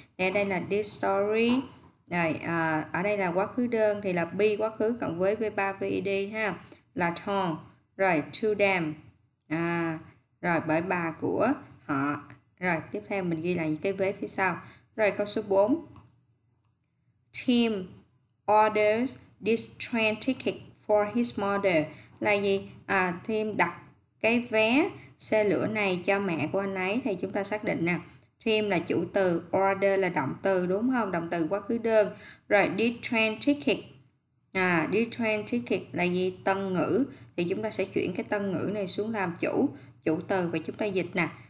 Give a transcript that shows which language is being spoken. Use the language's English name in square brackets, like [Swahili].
[Vietnamese] Nên đây là [English] this story. [Vietnamese] Rồi, ở đây là quá khứ đơn thì là be quá khứ cộng với V3 VED ha, là told. Rồi [English] to them, [Vietnamese] rồi bởi bà của họ. Rồi tiếp theo mình ghi lại cái vế phía sau. Rồi câu số 4. [English] Tim orders this train ticket for his mother [Vietnamese] là gì? Tim đặt cái vé xe lửa này cho mẹ của anh ấy. Thì chúng ta xác định nè, Tim là chủ từ, order là động từ đúng không? Động từ quá khứ đơn. Rồi, [English] this train ticket. This train ticket [Vietnamese] là gì? Tân ngữ. Thì chúng ta sẽ chuyển cái tân ngữ này xuống làm chủ, chủ từ và chúng ta dịch nè.